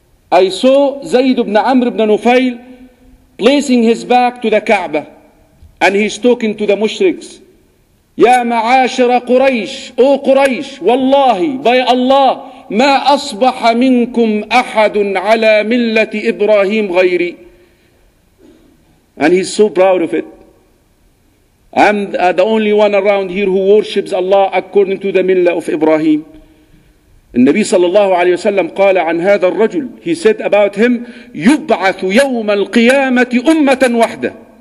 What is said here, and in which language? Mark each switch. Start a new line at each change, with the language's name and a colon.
English: I saw Zayd ibn Amr ibn Nufayl placing his back to the Kaaba, and he's talking to the mushriks.
Arabic: Ya ma'ashara Quraysh,
English: O Quraysh,
Arabic: wallahi,
English: by Allah,
Arabic: ما أصبح منكم أحد على ملة إبراهيم غيري.
English: And he's so proud of it. I'm the only one around here who worships Allah according to the millah of Ibrahim.
Arabic: النبي صلى الله عليه وسلم قال عن هذا الرجل,
English: he said about him,
Arabic: يبعث يوم القيامة أمة واحدة.